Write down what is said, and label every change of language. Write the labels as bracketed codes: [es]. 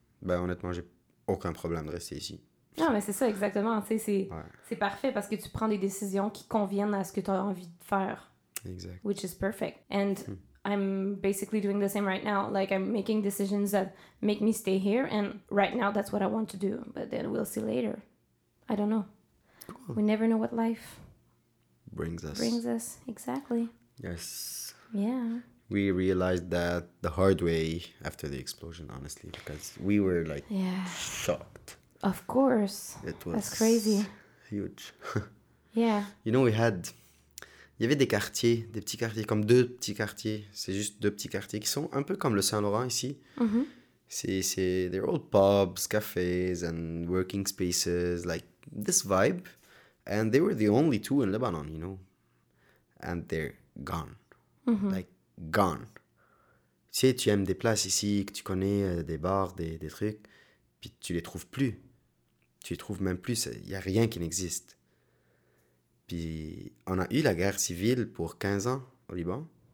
[fr] Ben honnêtement, j'ai aucun problème de rester ici. Non, mais c'est ça exactement. Tu sais, c'est c'est parfait parce que tu prends des décisions qui conviennent à ce que tu as envie de faire. Exact. [en] Which is perfect. And I'm basically doing the same right now. Like, I'm making decisions that make me stay here. And right now, that's what I want to do. But then we'll see later. I don't know. Cool. We never know what life brings us. Brings us. Exactly. Yes. Yeah. We realized that the hard way after the explosion, honestly. Because we were, like, shocked. Of course. It was that's crazy. Huge. Yeah. You know, we had... [fr] Il y avait des quartiers, des petits quartiers, comme deux petits quartiers. C'est juste deux petits quartiers qui sont un peu comme le Saint-Laurent ici. Mm-hmm. C'est des [en] old pubs, cafés, and working spaces, like this vibe. And they were the only two in Lebanon, you know. And they're gone. Mm-hmm. Like, gone. [fr] Tu sais, tu aimes des places ici, que tu connais, des bars, des trucs, puis tu les trouves plus. Tu les trouves même plus, il n'y a rien qui n'existe. Puis, on a eu la guerre civile pour 15 ans au Liban.